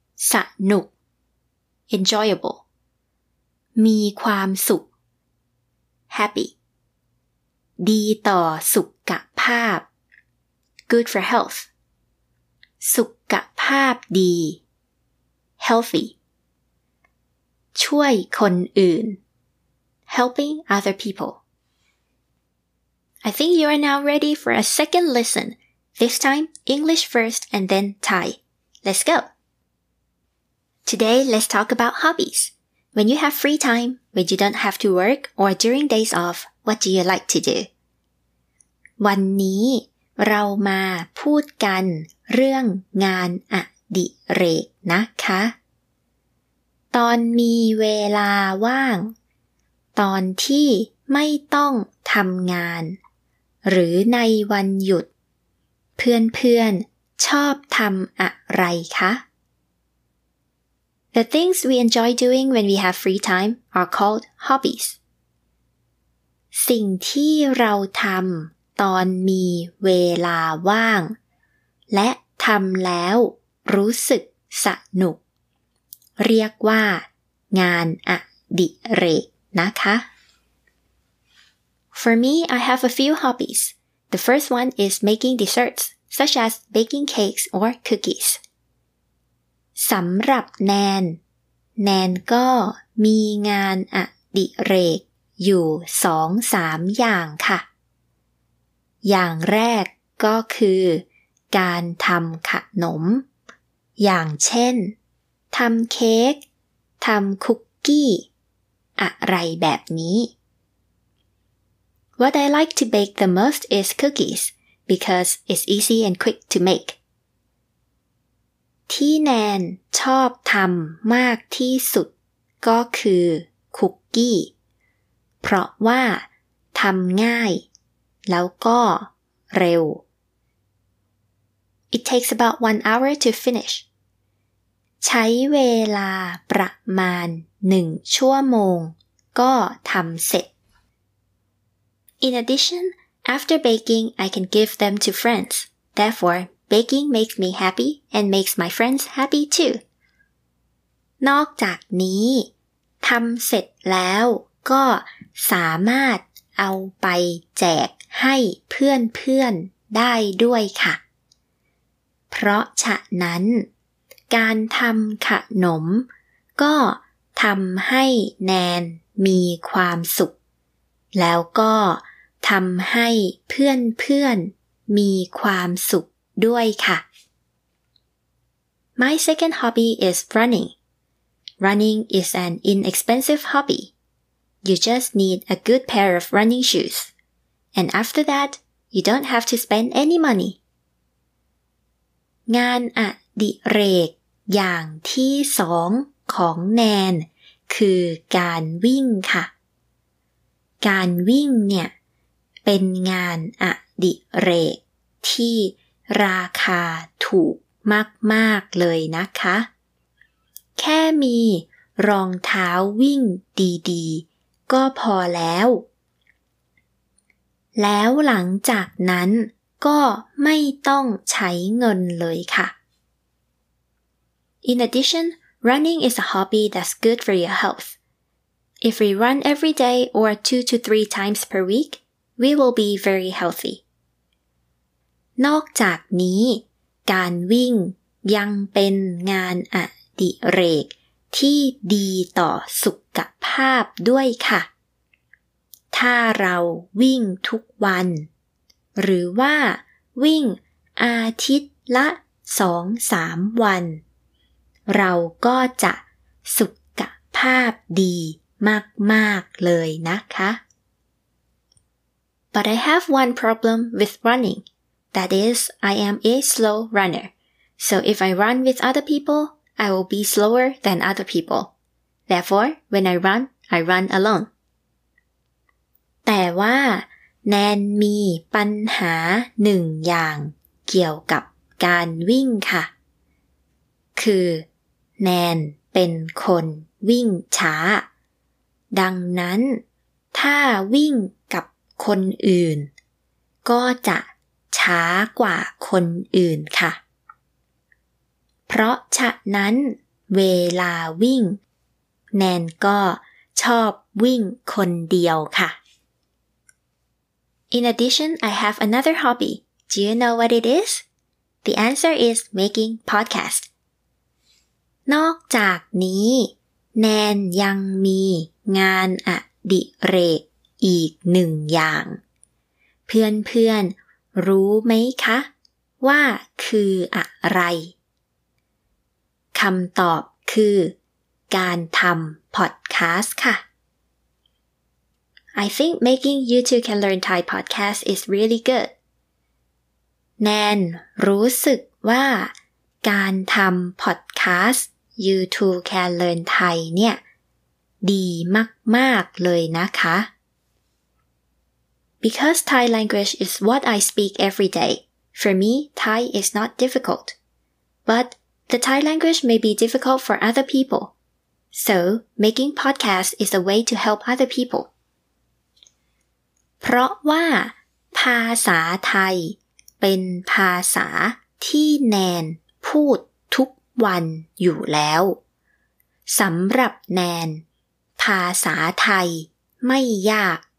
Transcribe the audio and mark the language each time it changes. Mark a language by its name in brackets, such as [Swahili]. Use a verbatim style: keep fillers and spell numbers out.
[Thai] สนุก [English] enjoyable. [Thai] มีความสุข [English] happy. [Thai] ดีต่อสุขภาพ [English] good for health. [Thai] สุขภาพดี [English] healthy. [Thai] ช่วยคนอื่น [English] helping other people. I think you are now ready for a second listen. This time, English first and then Thai. Let's go! Today, let's talk about hobbies. When you have free time, when you don't have to work, or during days off, what do you like to do? [Thai] วันนี้เรามาพูดกันเรื่องงานอดิเรกนะคะตอนมีเวลาว่างตอนที่ไม่ต้องทำงานหรือในวันหยุดเพื่อนๆชอบทำอะไรคะ [English] The things we enjoy doing when we have free time are called hobbies. [Thai] สิ่งที่เราทำตอนมีเวลาว่างและทำแล้วรู้สึกสนุกเรียกว่างานอดิเรกนะคะ [English] For me, I have a few hobbies. The first one is making desserts, such as baking cakes or cookies. [Thai] สำหรับแนนแนนก็มีงานอดิเรกอยู่ สองถึงสาม อย่างค่ะอย่างแรกก็คือการทำขนมอย่างเช่นทำเค้กทำคุกกี้อะไรแบบนี้ [English] What I like to bake the most is cookies because it's easy and quick to make. [Thai] ที่แนนชอบทำมากที่สุดก็คือคุกกี้เพราะว่าทำง่ายแล้วก็เร็ว [English] It takes about one hour to finish. [Thai] ใช้เวลาประมาณหนึ่งชั่วโมงก็ทำเสร็จ [English] In addition, after baking, I can give them to friends. Therefore, baking makes me happy and makes my friends happy too. [Thai] นอกจากนี้ทำเสร็จแล้วก็สามารถเอาไปแจกให้เพื่อนๆได้ด้วยค่ะเพราะฉะนั้นการทำขนมก็ทำให้แนนมีความสุขแล้วก็ทำให้เพื่อนๆมีความสุขด้วยค่ะ [English] My second hobby is running. Running is an inexpensive hobby. You just need a good pair of running shoes. And after that, you don't have to spend any money. [Thai] งานอดิเรกอย่างที่สองของแนนคือการวิ่งค่ะ การวิ่งเนี่ยเป็นงานอดิเรกที่ราคาถูกมากๆเลยนะคะแค่มีรองเท้าวิ่งดีๆก็พอแล้วแล้วหลังจากนั้นก็ไม่ต้องใช้เงินเลยค่ะ [English] In addition, running is a hobby that's good for your health. If we run every day or two to three times per week, we will be very healthy. [Thai] นอกจากนี้การวิ่งยังเป็นงานอดิเรกที่ดีต่อสุขภาพด้วยค่ะถ้าเราวิ่งทุกวันหรือว่าวิ่งอาทิตย์ละ สองถึงสาม วันเราก็จะสุขภาพดีมากๆเลยนะคะ [English] But I have one problem with running. That is, I am a slow runner. So if I run with other people, I will be slower than other people. Therefore, when I run, I run alone. [Thai] แต่ว่าแนนมีปัญหาหนึ่งอย่างเกี่ยวกับการวิ่งค่ะคือแนนเป็นคนวิ่งช้าดังนั้นถ้าวิ่งกับคนอื่นก็จะช้ากว่าคนอื่นค่ะ เพราะฉะนั้นเวลาวิ่งแนนก็ชอบวิ่งคนเดียวค่ะ [English] In addition, I have another hobby. Do you know what it is? The answer is making podcasts. [Thai] นอกจากนี้แนนยังมีงานอดิเรกอีกหนึ่งอย่างเพื่อนๆรู้ไหมคะ ว่าคืออะไรคำตอบคือการทำพอดคาสต์ค่ะ [English] I think making You Too Can Learn Thai podcast is really good. [Thai] แนนรู้สึกว่าการทำพอดคาสต์ You Too Can Learn Thai เนี่ยดีมากๆเลยนะคะ [English] Because Thai language is what I speak every day. For me, Thai is not difficult. But the Thai language may be difficult for other people. So, making podcasts is a way to help other people. [Thai] เพราะว่าภาษาไทยเป็นภาษาที่แนนพูดทุกวันอยู่แล้วสำหรับแนนภาษาไทยไม่ยาก